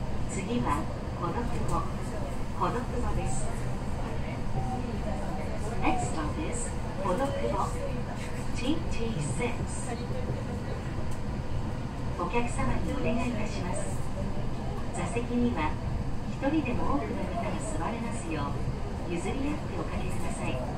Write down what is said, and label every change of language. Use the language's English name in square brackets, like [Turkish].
[Japanese] 次は孤独語、孤独語です。 [English] Next stop is 孤独語 TT6。 [Japanese] お客様にお願いいたします。座席には一人でも多くの方が座れますよう譲り合っておかけください。